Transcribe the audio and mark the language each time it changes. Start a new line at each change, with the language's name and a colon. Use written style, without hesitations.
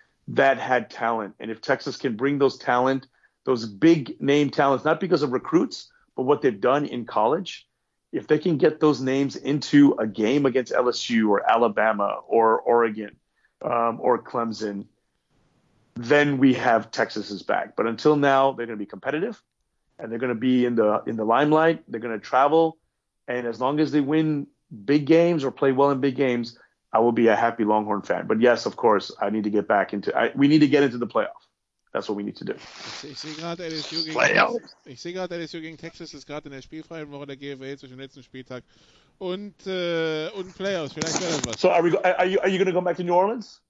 English: That had talent. And if Texas can bring those talent, those big-name talents, not because of recruits, but what they've done in college, if they can get those names into a game against LSU or Alabama or Oregon or Clemson, then we have Texas's back. But until now, they're going to be competitive, and they're going to be in the limelight. They're going to travel. And as long as they win big games or play well in big games, I will be a happy Longhorn fan. But yes, of course, I need to get back into – we need to get into the playoff. That's what we need to do.
German: Ich sehe gerade LSU gegen Texas ist gerade in der spielfreien Woche der GFL zwischen dem letzten Spieltag und Playoffs. Vielleicht wäre das was.
English: So are you going to go back to New Orleans?